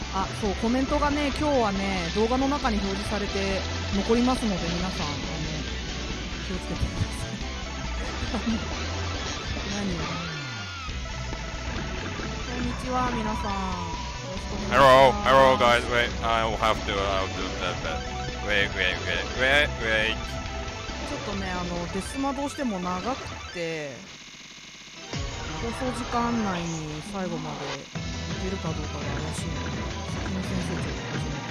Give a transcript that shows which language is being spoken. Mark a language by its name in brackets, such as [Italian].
[Japanese] あ、そう、コメントがね、今日はね、動画の中に表示されて残りますので、皆さん、ね、気をつけてください何こんにちは、皆さん、よろしくお願いします。 [English] Hello, hello guys, wait, I'll have to, I'll do that, but wait [Japanese] ちょっとね、あのデスマどうしても長くて、放送時間内に最後まで行けるかどうかが怪しいので、先生ちょっと始めて